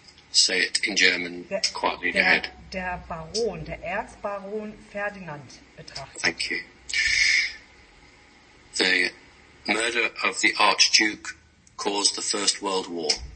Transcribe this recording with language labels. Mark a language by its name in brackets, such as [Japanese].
[English] Say it in German quietly in your head. [German] Der Erzbaron Ferdinand betrachtet. [English] Thank you. The murder of the Archduke caused the First World War.